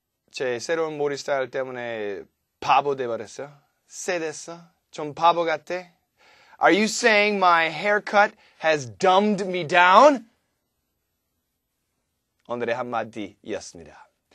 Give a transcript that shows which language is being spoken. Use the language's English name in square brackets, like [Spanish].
[Korean] 제 새로운 머리 스타일 때문에 바보 돼버렸어? 쎄됐어? 좀 바보 같대? [English] Are you saying my haircut has dumbed me down? [Korean] 오늘의 한마디였습니다.